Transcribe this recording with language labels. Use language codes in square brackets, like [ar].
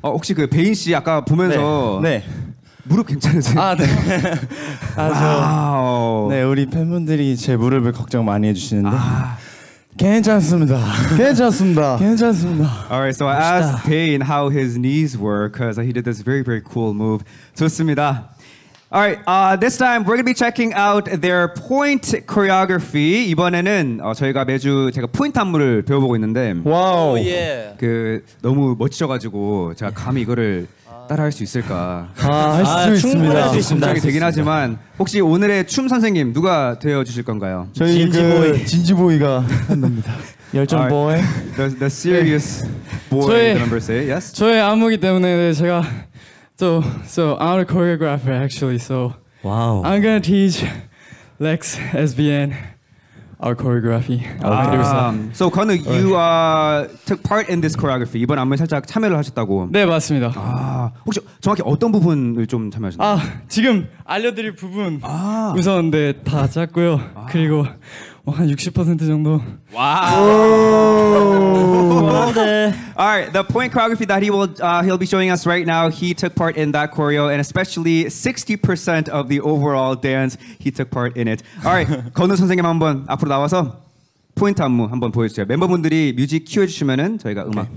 [ko] 혹시 그 베인 씨 아까 보면서 네. 무릎 괜찮으세요? 아, 네. 아주. 네, 우리 팬분들이 제 무릎을 걱정 많이 해주시는데. 괜찮습니다. 괜찮습니다. 괜찮습니다. [en] All right, so I asked Payne how his knees were because he did this very, very cool move. [ko] 좋습니다. [en] All right, this time we're going to be checking out their point choreography. [ko] 이번에는 저희가 매주 제가 포인트 안무를 배워보고 있는데. 와우. [en] Wow. Oh, yeah. [ko] 그 너무 멋지셔가지고 제가 감히 이거를 따라할 수 있을까? 아, 할 수 있습니다. 충분히 할 수 있습니다. 긴장이 되긴 하지만 혹시 오늘의 춤 선생님 누가 되어 주실 건가요? 저희 진지보이. 그 진지보이가 한답니다. 열정 보이. [en] The serious boy. The number say yes. [ko] 저의 안무기 때문에 제가 또 [en] so I'm a choreographer actually. So wow. I'm gonna teach Lex SBN our choreography. Okay. So Gunu, you took part in this choreography. [ko] 이번 안무에 살짝 참여를 하셨다고. 네, 맞습니다. 아, 혹시 정확히 어떤 부분을 좀 참여하셨나요? 아, 지금 알려드릴 부분 아. 우선 네, 다 짰고요. 아. 그리고 뭐 한 60% 정도. 와. 네. [en] All right, the point choreography that he will he'll be showing us right now, he took part in that choreo, and especially 60% of the overall dance, he took part in it. [ko] All right, 건우 선생님 한번 앞으로 나와서 포인트 안무 한번 보여주세요. 멤버분들이 뮤직 큐 해주시면은 저희가 음악 okay.